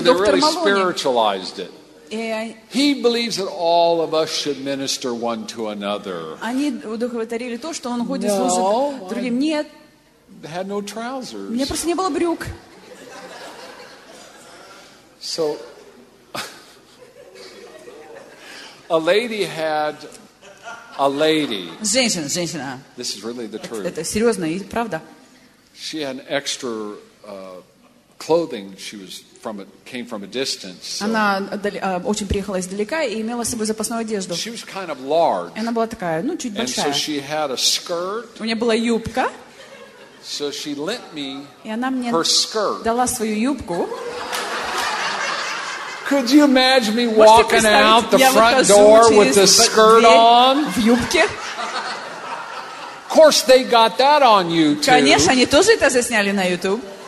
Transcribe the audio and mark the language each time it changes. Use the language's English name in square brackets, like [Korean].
[English] so they really spiritualized it. He believes that all of us should minister one to another. [Russian] Они удовлетворили то, что он ходит служить другим. Нет. [English] Had no trousers. [Russian] У меня просто не было брюк. [English] So a lady had a lady. [Russian] Женщина, женщина. [English] This is really the truth. [Russian] Это серьезно и правда. [English] She had extra clothing. She was from came from a distance. [Russian] Она очень приехала издалека и имела с собой запасную одежду. [English] She was kind of large. [Russian] Она была такая, ну чуть большая. [English] And so she had a skirt. [Russian] У нее была юбка. [English] So she lent me her skirt. [Russian] Дала свою юбку. [English] Could you imagine me walking out the front door with the skirt on? [Russian] В юбке? [English] Of course they got that on YouTube. [Russian] Конечно, они тоже это засняли на YouTube.